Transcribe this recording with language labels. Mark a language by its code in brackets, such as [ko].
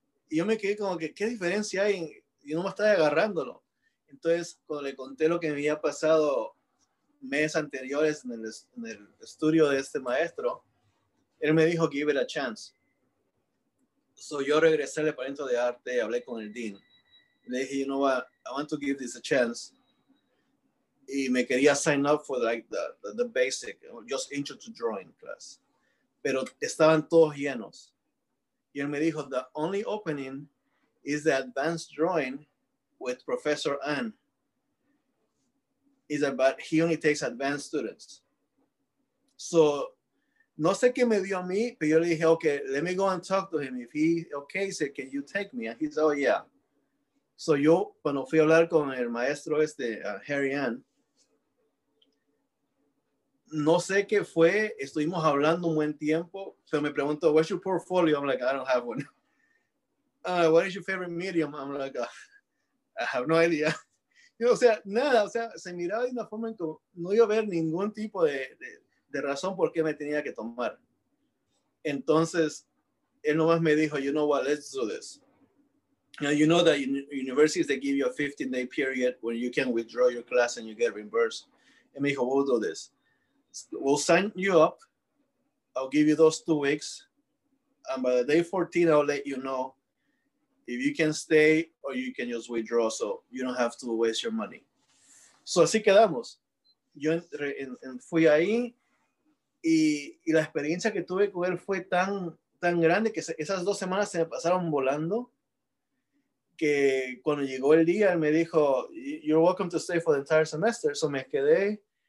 [es] Y yo me quedé como que, ¿qué diferencia hay? Y no me estaba agarrándolo. Entonces, cuando le conté lo que me había pasado meses anteriores en el estudio de este maestro, él me dijo, [en] give it a chance. [es] So yo regresé al departamento de arte, hablé con el dean. Le dije, [en] you know what, I want to give this a chance. [es] Y me quería [en] sign up for like the basic, just intro to drawing class. [es] Pero estaban todos llenos. Y él me dijo, [en] the only opening is the advanced drawing with Professor Ann. Is about, he only takes advanced students. So, [es] no sé qué me dio a mí, pero yo le dije, [en] okay, let me go and talk to him. If he, okay, he said, can you take me? And he said, oh yeah. So yo, cuando fui a hablar con el maestro Harry Ann, no sé qué fue, estuvimos hablando un buen tiempo, pero me preguntó, what's your portfolio? I'm like, I don't have one. What is your favorite medium? I'm like, I have no idea. [es] Yo, o sea, nada, o sea, se miraba de una forma en que no iba a haber ningún tipo de razón por qué me tenía que tomar. Entonces, él nomás me dijo, [en] you know what, let's do this. Now, you know that universities, they give you a 15-day period when you can withdraw your class and you get reimbursed. [es] Y me dijo, [en] we'll do this. We'll sign you up. I'll give you those 2 weeks. And by the day 14, I'll let you know if you can stay or you can just withdraw so you don't have to waste your money. [es] So así quedamos. Yo fui ahí y la experiencia que tuve con él fue tan, tan grande que esas 2 semanas se me pasaron volando que cuando llegó el día, él me dijo, [en] you're welcome to stay for the entire semester. [es] So me quedé.